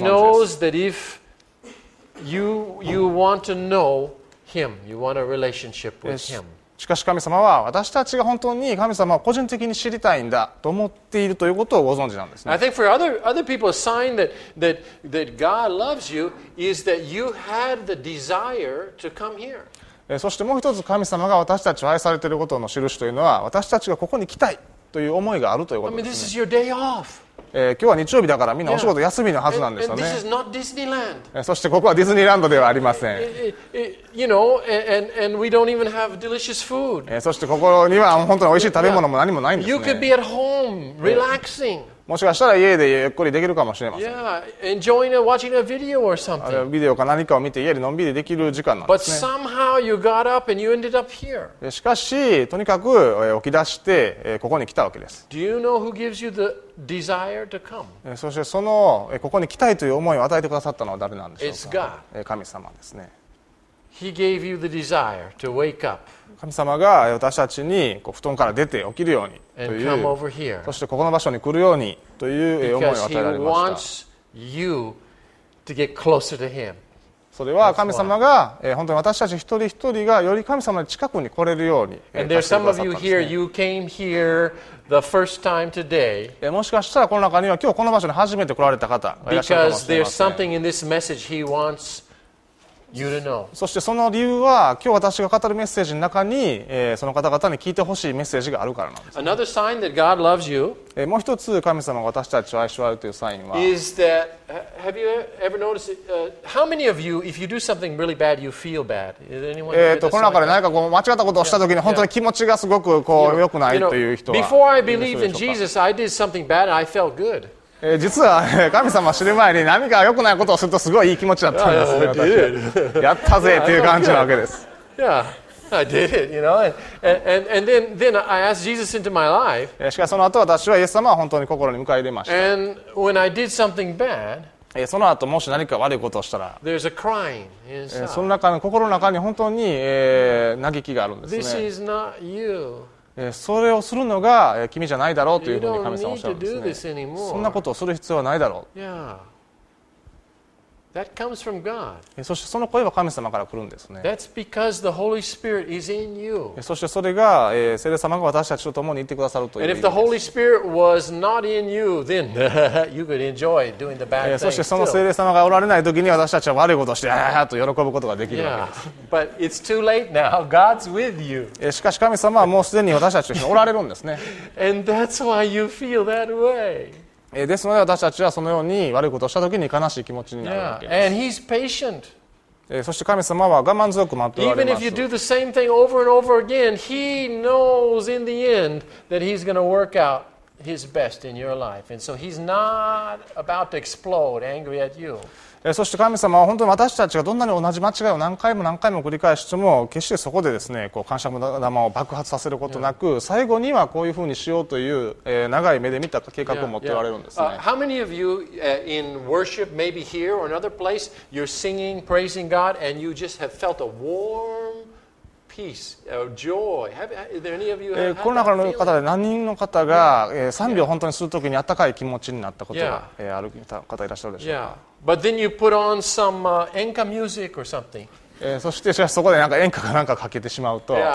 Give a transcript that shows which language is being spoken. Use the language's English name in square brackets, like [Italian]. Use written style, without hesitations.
[English] But He knows that if you want to know Him, you want a relationship with Him. [Japanese] しかし神様は私たちが本当に神様を個人的に知りたいんだと思っているということをご存知なんですね。 [English] I think for other people, a sign that God loves you is that you had the desire to come here. [Japanese] そしてもう一つ神様が私たちを愛されていることの印というのは私たちがここに来たいという思いがあるということですね。 [English] I mean, this is your day off. [Japanese] 今日は日曜日だからみんなお仕事休みのはずなんですよね。 [English] and this is not Disneyland. [Japanese] そしてここはディズニーランドではありません。 [English] you know, and we don't even have delicious food. [Japanese] そしてここには本当においしい食べ物も何もないんですね。 [English] you could be at home, relaxing. [Japanese] もしかしたら家でゆっくりできるかもしれません。 [English] Yeah, enjoying watching a video or something. [Japanese] ビデオか何かを見て家でのんびりできる時間なんですね。 [English] But somehow you got up and you ended up here. [Japanese] しかし、とにかく起き出してここに来たわけです。 [English] Do you know who gives you the desire to come? [Japanese] そしてそのここに来たいという思いを与えてくださったのは誰なんでしょうか。 [English] It's God. [Japanese] 神様ですね。 [English] He gave you the desire to wake up. [Japanese] 神様が私たちにこう布団から出て起きるようにという [English] and come over here. [Japanese] そしてここの場所に来るようにという思いを与えられました。 [English] Because he wants you to get closer to him. [Japanese] それは神様が本当に私たち一人一人がより神様に近くに来れるようにさせてくださったんですね。 [English] And there's some of you here, you came here the first time today. [Japanese] もしかしたらこの中には今日この場所に初めて来られた方がいらっしゃるかもしれません。 [English] Because there's something in this message he wants. You to know. [Japanese] そしてその理由は今日私が語るメッセージの中に、その方々に聞いてほしいメッセージがあるからなんです、ね、 [English] Another sign that God loves you [Japanese] もう一つ神様が私たちを愛しておられるというサインは [English] is that, have you ever noticed, how many of you if you do something really bad you feel bad is anyone [Japanese] この中で何かこう間違ったことをした時に本当に気持ちがすごくこう良くないという人は [English] Before I believed in Jesus I did something bad and I felt good [Japanese] 実は神様知る前に何か良くないことをするとすごいいい気持ちだったんですね私やったぜという感じなわけです [English] Yeah, I did it, you know and then I asked Jesus into my life [Japanese] しかしその後私はイエス様は本当に心に迎え入れました [English] And when I did something bad [Japanese] その後もし何か悪いことをしたら [English] There's a crying inside [Japanese] その中の心の中に本当に嘆きがあるんですね [English] This is not you [Japanese] それをするのが君じゃないだろうというふうに神様おっしゃるんですね。そんなことをする必要はないだろう。 [English] That comes from God. [Japanese] そしてその声は神様から来るんですね。 [English] That's because the Holy Spirit is in you. [Japanese] そしてそれが聖霊様が私たちと共にいてくださるという。 [English] And if the Holy Spirit was not in you, then you could enjoy doing the bad things. [Japanese] そしてその聖霊様がおられない時に私たちは悪いことをしてああと喜ぶことができるわけです。 [English] But it's too late now. God's with you. [Japanese] しかし神様はもうすでに私たちにおられるんですね。 [English] And that's why you feel that way. [Japanese] ですので私たちはそのように悪いことをしたときに悲しい気持ちになるわけです。 [English] Yeah. And he's patient. [Japanese] そして神様は我慢強く待っておられます。 [English] Even if you do the same thing over and over again, he knows in the end that he's going to work out his best in your life. And so he's not about to explode angry at you. [Japanese] そして神様は本当に私たちがどんなに同じ間違いを何回も何回も繰り返しても決してそこでですね、こう感謝玉を爆発させることなく最後にはこういうふうにしようという長い目で見た計画を持っておられるんですね。 [English] How many of you in worship, maybe here or another place, you're singing, praising God, and you just have felt a warm peace, joy? Is there any of you? [Japanese] この中の方で何人の方が賛美を本当にするときに温かい気持ちになったことがある方いらっしゃるでしょうか。 [English] But then you put on some enka music or something. [Japanese] そしてしかしそこでなんか演歌かなんかかけてしまうと、